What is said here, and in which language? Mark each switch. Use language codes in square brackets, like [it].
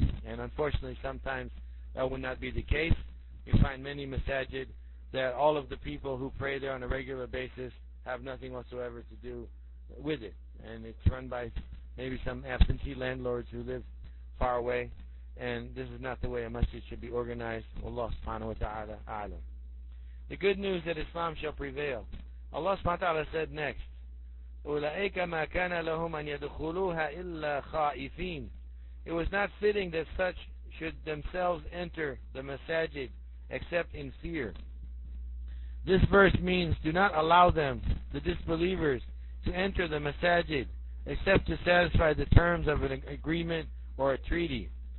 [en] And unfortunately, sometimes that would not be the case. You find many masajid that all of the people who pray there on a regular basis have nothing whatsoever to do with it. And it's run by maybe some absentee landlords who live far away. And this is not the way a masjid should be organized. Allah subhanahu wa ta'ala a'lam. The good news that Islam shall prevail. Allah subhanahu wa ta'ala said next, [ar] أُولَئِكَ مَا كَانَ لَهُمْ أَنْ يَدْخُلُوهَا إِلَّا خَائِفِينَ. [en] It was not fitting that such should themselves enter the masajid except in fear. This verse means, do not allow them, the disbelievers, to enter the masajid except to satisfy the terms of an agreement or a treaty.